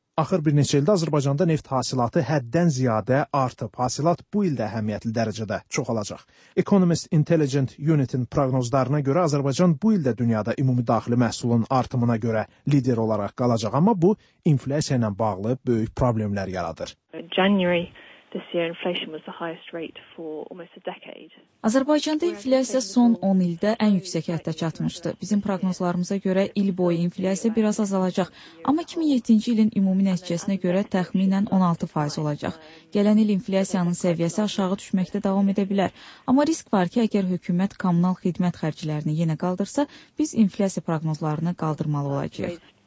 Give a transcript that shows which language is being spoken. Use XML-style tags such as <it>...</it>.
<az>Axır bir neçə ildə Azərbaycanda neft hasilatı həddən ziyadə artıb. Hasilat bu ildə əhəmiyyətli dərəcədə çoxalacaq. Economist Intelligent Unit-in proqnozlarına görə Azərbaycan bu ildə dünyada ümumi daxili məhsulun artımına görə lider olaraq qalacaq, amma bu inflyasiya ilə bağlı böyük problemlər yaradır.</az> <en>January this year inflation was the highest rate for almost a decade.</en> <az>Azərbaycanda inflyasiya son 10 ildə ən yüksək həddə çatmışdı. Bizim proqnozlarımıza görə il boyu inflyasiya biraz azalacaq, amma 2007-ci ilin ümumi nəticəsinə görə təxminən 16% olacaq. Gələn il inflyasiyanın səviyyəsi aşağı düşməkdə davam edə bilər, amma risk var ki, əgər hökumət kommunal xidmət xərclərini yenə qaldırsa, biz inflyasiya proqnozlarını qaldırmalı olacaq.</az>